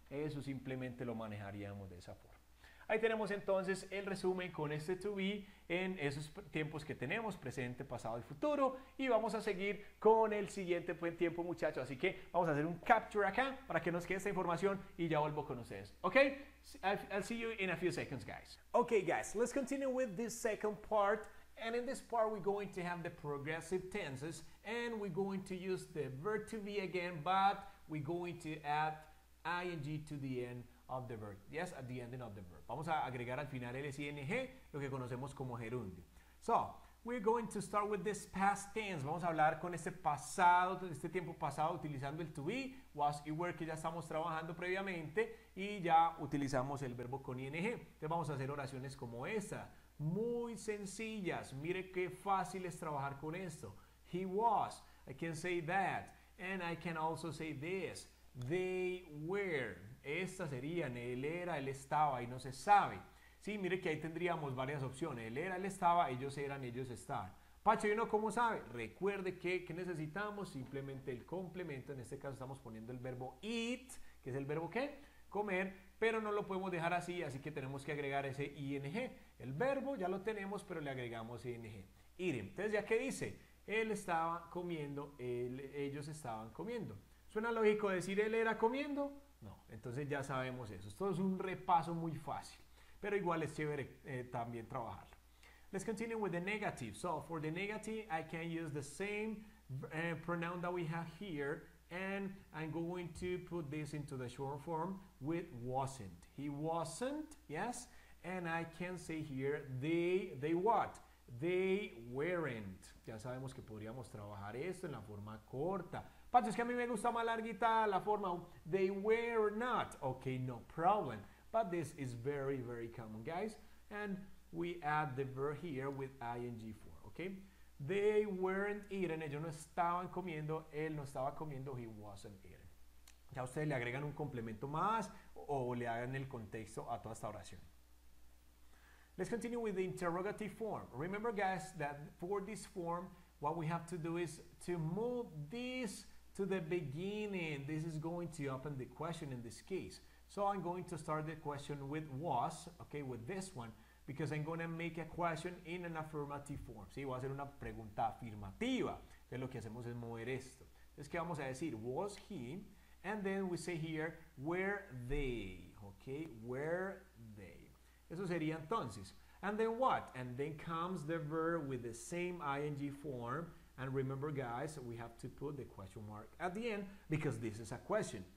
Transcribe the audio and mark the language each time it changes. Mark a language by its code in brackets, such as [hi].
[es] Eso simplemente lo manejaríamos de esa forma. Ahí tenemos entonces el resumen con este to be en esos tiempos que tenemos, presente, pasado y futuro. Y vamos a seguir con el siguiente buen tiempo, muchachos. Así que vamos a hacer un capture acá para que nos quede esta información y ya vuelvo con ustedes. ¿Ok? [en] I'll see you in a few seconds, guys. Ok, guys, let's continue with this second part. And in this part, we're going to have the progressive tenses. And we're going to use the verb to be again, but we're going to add ing to the end of the verb. Yes, at the ending of the verb. [es] Vamos a agregar al final el ing, lo que conocemos como gerundio. [en] So, we're going to start with this past tense. [es] Vamos a hablar con este pasado, este tiempo pasado, utilizando el to be, was y were, que ya estamos trabajando previamente, y ya utilizamos el verbo con ing. Entonces vamos a hacer oraciones como esta, muy sencillas. Mire qué fácil es trabajar con esto. [en] He was, I can say that, and I can also say this. They were. [es] Estas serían, él era, él estaba, y no se sabe. Sí, mire que ahí tendríamos varias opciones. Él era, él estaba, ellos eran, ellos estaban. Pacho, ¿y uno cómo sabe? Recuerde que ¿qué necesitamos? Simplemente el complemento. En este caso estamos poniendo el verbo eat, que es el verbo ¿qué? Comer, pero no lo podemos dejar así, así que tenemos que agregar ese ing. El verbo ya lo tenemos, pero le agregamos ing. Eat. Entonces, ¿ya qué dice? Él estaba comiendo, ellos estaban comiendo. ¿Suena lógico decir él era comiendo? No, entonces ya sabemos eso. Esto es un repaso muy fácil, pero igual es chévere también trabajarlo. [en] Let's continue with the negative. So, for the negative, I can use the same pronoun that we have here, and I'm going to put this into the short form with wasn't. He wasn't, yes, and I can say here they what? They weren't. [es] Ya sabemos que podríamos trabajar esto en la forma corta. Pacho, es que a mí me gusta más larguita la forma. [en] They were not. Okay, no problem. But this is very, very common, guys. And we add the verb here with ing form, okay? They weren't eating. [es] Ellos no estaban comiendo. Él no estaba comiendo. [en] He wasn't eating. [es] Ya ustedes le agregan un complemento más o le hagan el contexto a toda esta oración. [en] Let's continue with the interrogative form. Remember, guys, that for this form, what we have to do is to move this to the beginning. This is going to open the question in this case. So I'm going to start the question with was, okay, with this one, because I'm going to make a question in an affirmative form. [es] Sí, voy a hacer una pregunta afirmativa. Entonces lo que hacemos es mover esto. Entonces, ¿qué vamos a decir? [en] Was he? And then we say here, were they? Okay, were they? [es] Eso sería entonces. [en] And then what? And then comes the verb with the same ing form. And remember, guys, we have to put the question mark at the end because this is a question.